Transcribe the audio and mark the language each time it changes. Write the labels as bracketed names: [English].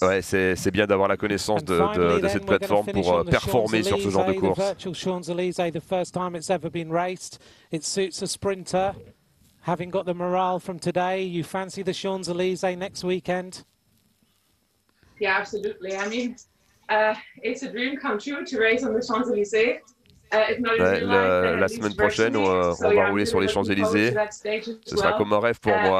[French] Ouais, c'est bien d'avoir la connaissance de cette plateforme pour performer sur ce genre de course. [English] The virtual Champs-Élysées, the first time it's ever been raced. It suits a sprinter. Having got the morale from today, you fancy the Champs-Élysées next weekend? Yeah, absolutely. I mean, it's a dream come true to race on the Champs-Élysées. [French] La semaine prochaine, on va rouler sur les Champs-Élysées. Ce sera comme un rêve pour moi.